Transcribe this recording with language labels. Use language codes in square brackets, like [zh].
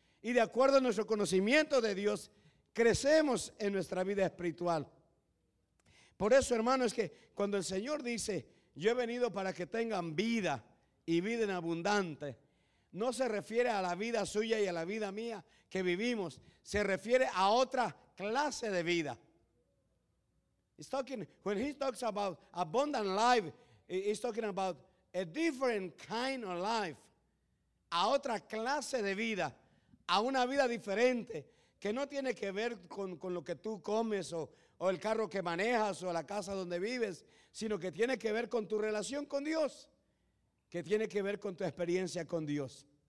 [es] Y de acuerdo a nuestro conocimiento de Dios, crecemos en nuestra vida espiritual. Por eso, hermano, es que cuando el Señor dice, yo he venido para que tengan vida y vida en abundante, no se refiere a la vida suya y a la vida mía que vivimos. Se refiere a otra clase de vida. [en] He's talking, when he talks about abundant life, he's talking about a different kind of life. [es] A otra clase de vida, a una vida diferente, que no tiene que ver con lo que tú comes o el carro que manejas o la casa donde vives, sino que tiene que ver con tu relación con Dios, que tiene que ver con tu experiencia con Dios.